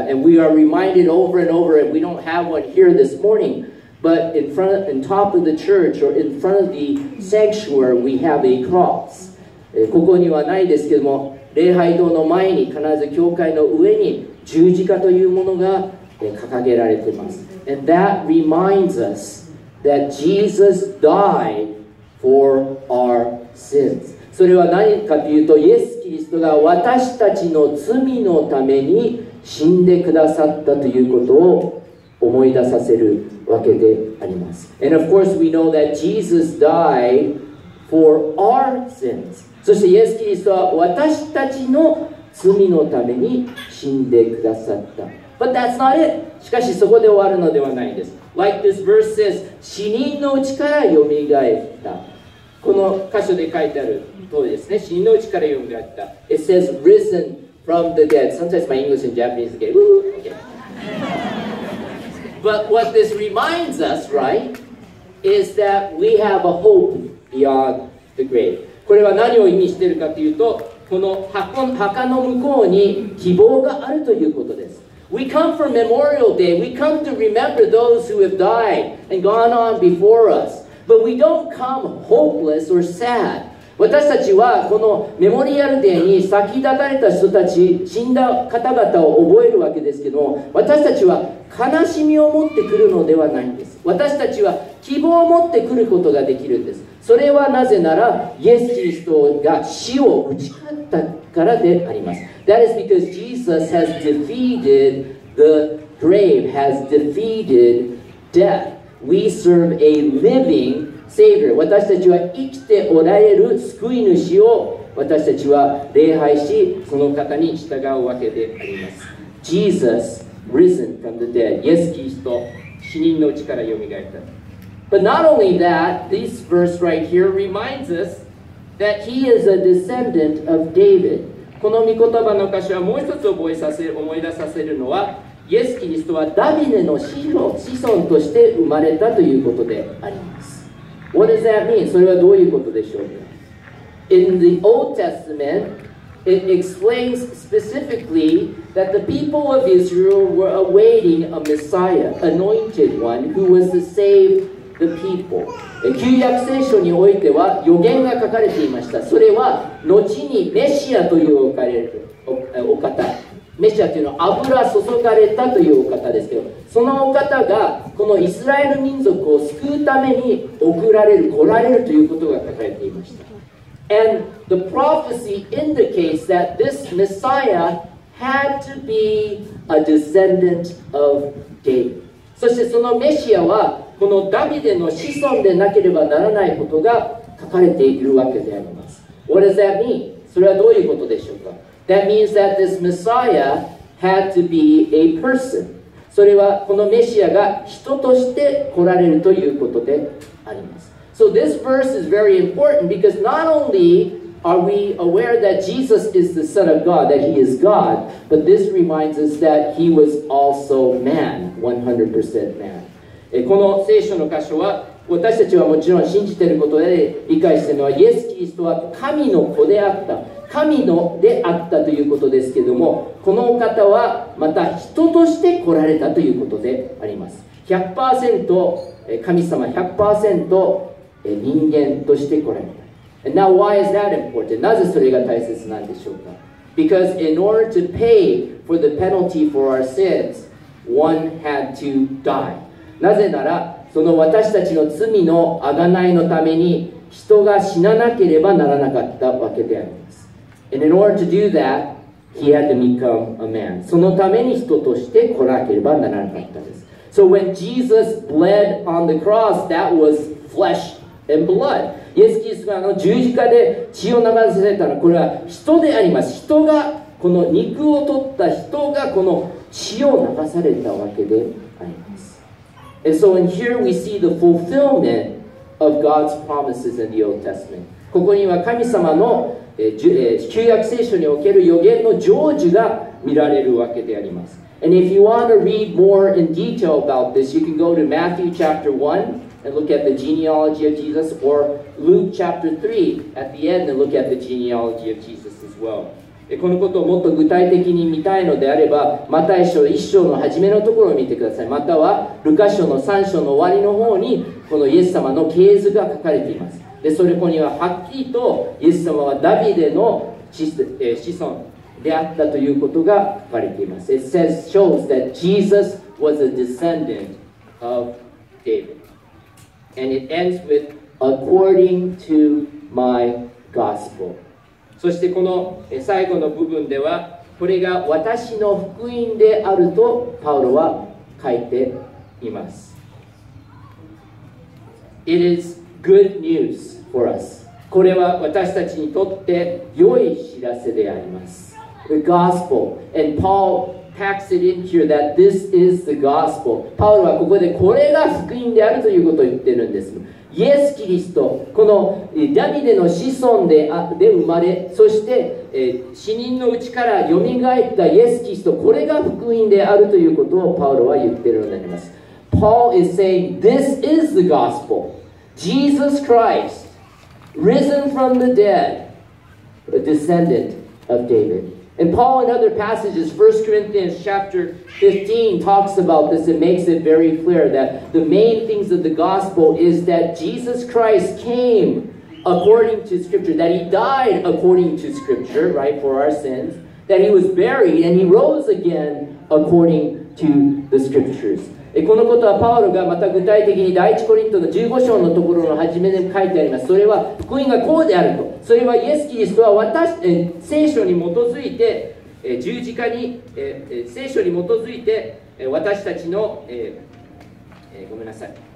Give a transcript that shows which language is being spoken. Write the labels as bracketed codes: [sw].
[en] And we are reminded over and over, and we don't have one here this morning, but in top of the church or in front of the sanctuary, we have a cross. [ja] ここにはないですけども礼拝堂の前に必ず教会の上に十字架というものが掲げられています [en] And that reminds us that Jesus died for our sins [ja] それは何かというとイエス・キリストが私たちの罪のために死んでくださったということを思い出させるわけであります [en] And of course we know that Jesus died for our sins [ja] そしてイエス・キリストは私たちの罪のために死んでくださった。 [en] But that's not it. [ja] しかしそこで終わるのではないです。 [en] Like this verse says, [ja] 死人のうちからよみがえった。この箇所で書いてある通りですね。死人のうちからよみがえった。 [en] It says, risen from the dead. Sometimes my English and Japanese get, woo, okay. But what this reminds us, right, is that we have a hope beyond the grave. [ja] これは何を意味しているかというと、この墓の向こうに希望があるということです。 [en] We come for Memorial Day. We come to remember those who have died and gone on before us. But we don't come hopeless or sad. [ja] 私たちはこのメモリアルデーに先立たれた人たち、死んだ方々を覚えるわけですけども、私たちは悲しみを持ってくるのではないんです。私たちは希望を持ってくることができるんです。それはなぜならイエス・キリストが死を打ち勝ったからであります。 [en] That is because Jesus has defeated the grave, has defeated death. We serve a living Savior. [ja] 私たちは生きておられる救い主を私たちは礼拝し、その方に従うわけであります。 [en] Jesus risen from the dead. [ja] イエス・キリスト、死人のうちからよみがえった。 [en] But not only that, this verse right here reminds us that he is a descendant of David. [ja] この御言葉の箇所はもう一つ思い出させるのは、イエス・キリストはダビデの子孫として生まれたということであります。 [en] What does that mean? [ja] それはどういうことでしょうか? [en] In the Old Testament, it explains specifically that the people of Israel were awaiting a Messiah, anointed one, who was to save the people. [ja] 旧約聖書においては予言が書かれていました。それは後にメシアというお方、メシアというのは油注がれたというお方ですけど、そのお方がこのイスラエル民族を救うために来られるということが書かれていました。 [en] And the prophecy indicates that this Messiah had to be a descendant of David. [ja] そしてそのメシアはこのダビデの子孫でなければならないことが書かれているわけであります。 [en] What does that mean? [ja] それはどういうことでしょうか? [en] That means that this Messiah had to be a person. [ja] それはこのメシアが人として来られるということであります。 [en] So this verse is very important because not only are we aware that Jesus is the Son of God, that he is God, but this reminds us that he was also man, 100% man. [ja] この聖書の箇所は私たちはもちろん信じていることで理解しているのはイエス・キリストは神の子であった神のであったということですけれどもこのお方はまた人として来られたということであります 100% 神様 100% 人間として来られた [en] And now why is that important? [ja] なぜそれが大切なんでしょうか [en] Because in order to pay for the penalty for our sins one had to die [ja] なぜなら、その私たちの罪の贖いのために人が死ななければならなかったわけであります。 [en] And in order to do that, he had to become a man. [ja] そのために人として来なければならなかったです。 [en] So when Jesus bled on the cross, that was flesh and blood. [ja] イエス・キリストが十字架で血を流されたのは、これは人であります。人が、この肉を取った人がこの血を流されたわけであります。 [en] And so in here we see the fulfillment of God's promises in the Old Testament. [ja] ここには神様の旧約聖書における予言の成就が見られるわけであります。 [en] And if you want to read more in detail about this, you can go to Matthew chapter 1 and look at the genealogy of Jesus, or Luke chapter 3 at the end and look at the genealogy of Jesus as well. [ja] このことをもっと具体的に見たいのであれば、マタイ書1章の初めのところを見てください。またはルカ書の3章の終わりの方にこのイエス様の系図が書かれています。でそれこにははっきりとイエス様はダビデの子孫であったということが書かれています。 [en] It says, shows that Jesus was a descendant of David. And it ends with, according to my gospel. [ja] そしてこの最後の部分では、これが私の福音であるとパウロは書いています。 [en] It is good news for us. [ja] これは私たちにとって良い知らせであります。 [en] The gospel. And Paul packs it in here that this is the gospel. [ja] パウロはここでこれが福音であるということを言ってるんです。イエス・キリスト、このダビデの子孫 で生まれ、そして死人のうちからよみがえったイエス・キリスト、これが福音であるということをパウロは言ってるのであります。 [en] Paul is saying, this is the gospel. Jesus Christ, risen from the dead, a descendant of David. And Paul in other passages, 1 Corinthians chapter 15 talks about this and makes it very clear that the main things of the gospel is that Jesus Christ came according to scripture, that he died according to scripture, right, for our sins, that he was buried and he rose again according to the scriptures. [ja] このことはパウロがまた具体的に第一コリントの15章のところの初めに書いてあります。それは福音がこうであると。それはイエス・キリストは私、聖書に基づいて、十字架に、聖書に基づいて、私たちの、ごめんなさい。